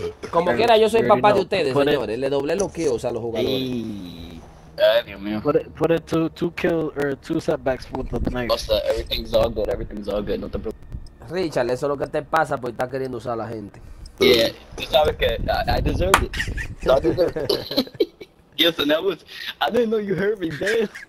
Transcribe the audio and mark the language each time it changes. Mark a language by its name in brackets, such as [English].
[Spanish] Como quiera, yo soy papá de ustedes, señores. Le doblé los kills a los jugadores. Ay, Dios mío. [English] Put it to 2 kills or 2 setbacks with the knife. Everything's all good, [Spanish] no te preocupes. Richard, eso es lo que te pasa porque estás queriendo usar a la gente. [English] Yeah, [Spanish] tú sabes que [English] I deserve it. Yes, and that was... I didn't know you heard me, damn.